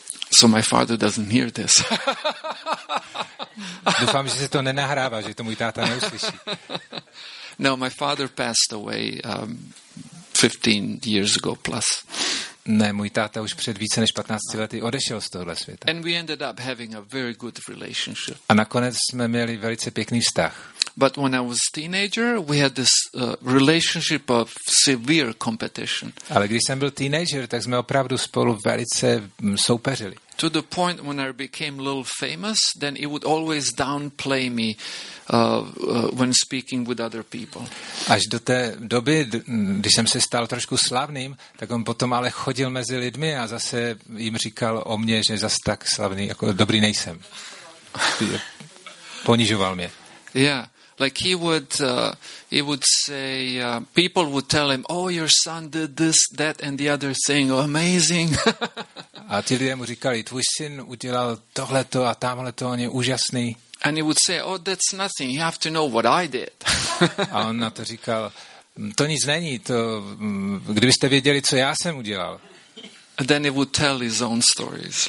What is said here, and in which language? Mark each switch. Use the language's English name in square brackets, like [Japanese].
[English] So my father doesn't hear this. [Czech] Doufám, že se to nenahrává, že to můj táta neuslyší. [English] No, my father passed away 15 years ago plus. [Czech] Ne, můj táta už před více než 15 lety odešel z tohoto světa. [English] And we ended up having a very good relationship. [Czech] A nakonec jsme měli velice pěkný vztah. [English] But when I was a teenager, we had this relationship of severe competition. [Czech] Ale když jsem byl teenager, tak jsme opravdu spolu velice soupeřili. [English] To the point when I became a little famous, then he would always downplay me when speaking with other people. [Czech] Až do té doby, když jsem se stal trošku slavným, tak on potom ale chodil mezi lidmi a zase jim říkal o mě, že zase tak slavný, jako dobrý nejsem. Ponižoval mě. [English] Yeah. Like he would say people would tell him, oh, your son did this, that and the other thing, oh, amazing. [Czech] A ti lidé mu říkali, tvůj syn udělal tohleto a tamhleto, on je úžasný. [English] And he would say, oh, that's nothing, you have to know what I did. [Czech] A on na to říkal, to nic není, to kdybyste věděli, co já jsem udělal. [English] And then he would tell his own stories.